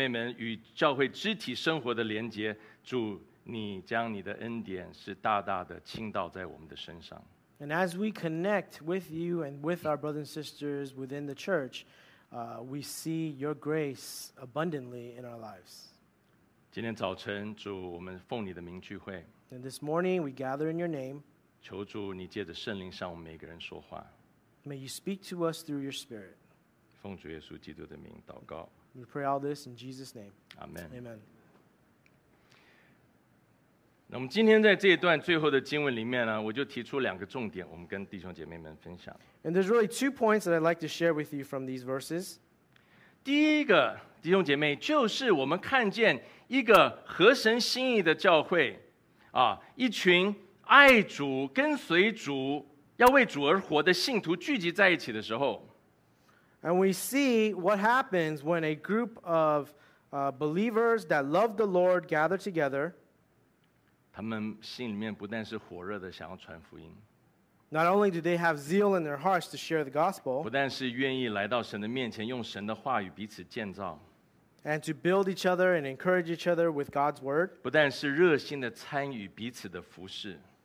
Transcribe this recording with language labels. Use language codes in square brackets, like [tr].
[zh] 并且你让我们因为与教会的弟兄姐妹们与教会肢体生活的连结。主，你将你的恩典是大大的倾倒在我们的身上。 [en] And as we connect with you and with our brothers and sisters within the church, we see your grace abundantly in our lives. [zh] 今天早晨，主，我们奉你的名聚会。 [en] And this morning we gather in your name. [zh] 求主你借着圣灵向我们每个人说话。 [en] May you speak to us through your spirit. [zh] 奉主耶稣基督的名祷告。 [en] We pray all this in Jesus' name. Amen. Amen. [zh] 那么今天在这一段最后的经文里面呢，我就提出两个重点，我们跟弟兄姐妹们分享。 [en] And there's really two points that I'd like to share with you from these verses. [zh] 第一个，弟兄姐妹，就是我们看见一个合神心意的教会，啊，一群爱主、跟随主、要为主而活的信徒聚集在一起的时候, [en] and we see what happens when a group of believers that love the Lord gather together. [zh] 他们心里面不但是火热的想要传福音, [en] not only do they have zeal in their hearts to share the gospel, [zh] 不但是愿意来到神的面前用神的话语彼此建造, [en] and to build each other and encourage each other with God's word, [zh] 不但是热心地参与彼此的服事,